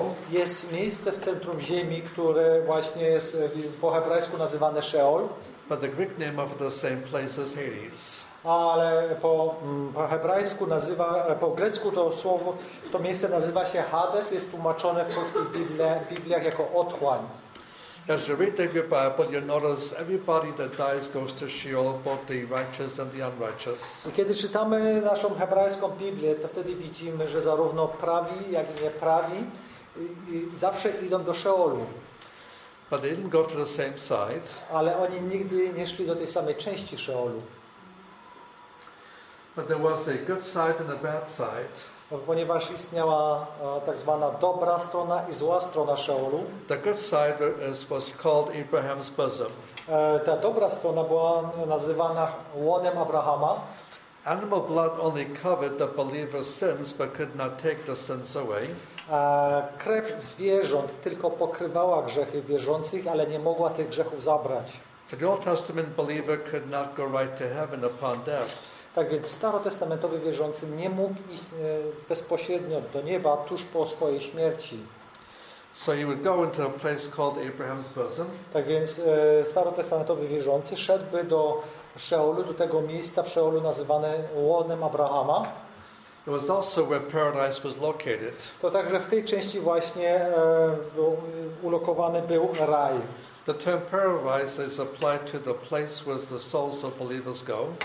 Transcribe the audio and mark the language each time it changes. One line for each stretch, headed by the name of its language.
Polish: Jest miejsce w centrum ziemi, które właśnie jest po hebrajsku nazywane Sheol.
English: But the Greek name of the same place is Hades.
Polish: Ale po hebrajsku nazywa, po grecku to słowo, to miejsce nazywa się Hades, jest tłumaczone w polskich Bibliach jako otchłań.
English: As you read through your Bible, you notice everybody that dies goes to Sheol, both the righteous and the unrighteous.
Polish: I kiedy czytamy naszą hebrajską Biblię, to wtedy widzimy, że zarówno prawi, jak i nieprawi zawsze idą do Szeolu.
English: But they didn't go to the same side.
Polish: Ale oni nigdy nie szli do tej samej części Szeolu.
English: But there was a good side and a bad side.
Polish: Ponieważ istniała tak zwana dobra strona i zła strona Szeolu.
English: The good side was called Abraham's bosom.
Polish: Ta dobra strona była nazywana łonem Abrahama.
English: Animal blood only covered the believer's sins, but could not take the sins away.
Polish: Krew zwierząt tylko pokrywała grzechy wierzących, ale nie mogła tych grzechów zabrać.
English: The Old Testament believer could not go right to heaven upon death.
Polish: Tak więc starotestamentowy wierzący nie mógł iść bezpośrednio do nieba tuż po swojej śmierci.
English: So he would go into a place called Abraham's bosom.
Polish: Tak więc starotestamentowy wierzący szedłby do Szeolu, do tego miejsca w Szeolu nazywane łonem Abrahama.
English: It was also where paradise was located.
Polish: To także w tej części właśnie ulokowany był raj.
English: The term paradise is applied to the place where the souls of believers go.